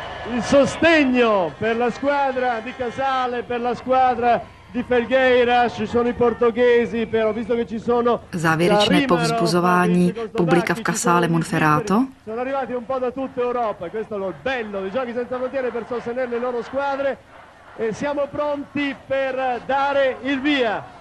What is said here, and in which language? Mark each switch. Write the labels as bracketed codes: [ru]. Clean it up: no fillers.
[it] Il sostegno per la squadra di Casale, per la squadra di Felgueira, ci sono i portoghesi, però visto che ci sono [cs] závěrečné povzbuzování publika v Casale Monferrato. [it] Sono arrivati un po' da tutta Europa, questo è lo bello dei giochi senza frontiere per sostenere le loro squadre e siamo pronti per dare il via.